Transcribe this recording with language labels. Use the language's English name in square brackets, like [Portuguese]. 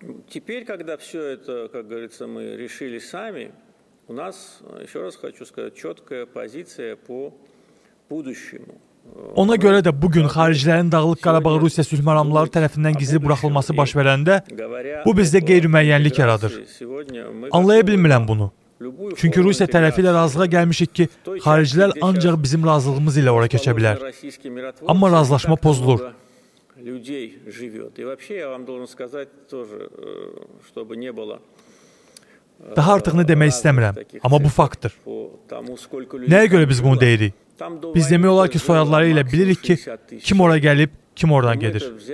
[Russian] Теперь, когда все это, как говорится, мы решили сами, у нас, еще раз хочу сказать, четкая позиция по будущему. [Azerbaijani] Ona görə də bugün xaricilərin Dağlıq Qarabağ Rusiya sülh məramları tərəfindən gizli buraxılması baş verəndə bu bizdə qeyri-müəyyənlik yaradır. Anlaya bilmirəm bunu. Çünki Rusiya tərəfi ilə razılığa gəlmişik ki, xaricilər ancaq bizim razılığımız ilə ora keçə bilər. Amma razılaşma pozulur. [Russian] Людей живет. И вообще я вам должен сказать тоже, чтобы не было. [Azerbaijani] Daha artıq nə demək istəmirəm, amma bu faktdır. Nəyə görə biz bunu deyirik? Biz demək olar ki, soyadları ilə bilirik ki, kim ora gəlib, kim oradan gedir.